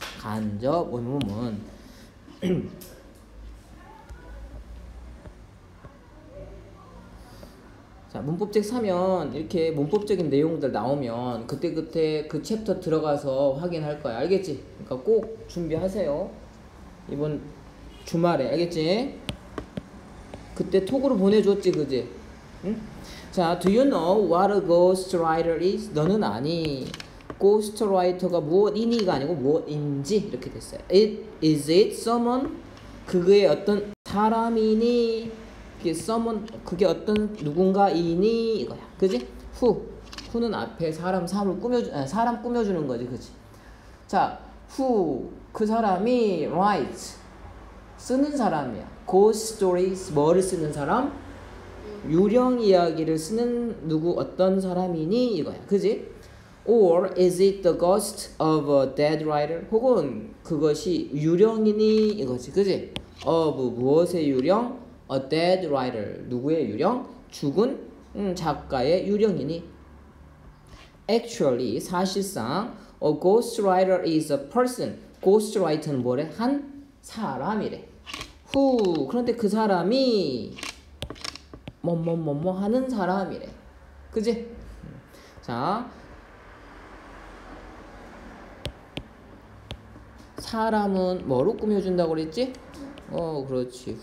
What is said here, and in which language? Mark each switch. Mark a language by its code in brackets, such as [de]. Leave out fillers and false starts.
[ko] 간접 의문은 자 문법책 사면 이렇게 문법적인 내용들 나오면 그때그때 그 챕터 들어가서 확인할 거야. 알겠지? 그러니까 꼭 준비하세요. 이번 주말에. 알겠지? 그때 톡으로 보내줬지 그지? 응? [en] 자 Do you know what a ghostwriter is? [ko] 너는 아니 ghostwriter가 무엇이니가 아니고 무엇인지 이렇게 됐어요. [en] It is it someone? 그게 어떤 사람이니? [ko] 그게 someone 그게 어떤 누군가이니 이거야. 그지? Who? Who는 앞에 사람 삶을 꾸며주 아, 사람 꾸며주는 거지 그지? 자 Who? 그 사람이 write 쓰는 사람이야. Ghost stories 뭐를 쓰는 사람? 유령 이야기를 쓰는 누구 어떤 사람이니 이거야. 그지? [en] Or is it the ghost of a dead writer? [ko] 혹은 그것이 유령이니 이거지. 그지? Of 무엇의 유령? [en] A dead writer 누구의 유령? [ko] 죽은 작가의 유령이니. [en] Actually 사실상 a ghost writer is a person. [ko] Ghost writer는 뭐래? 한 사람이래. Who 그런데 그 사람이 뭐뭐뭐뭐 하는 사람이래. 그지? 자 사람은 뭐로 꾸며준다고 그랬지? 어 그렇지.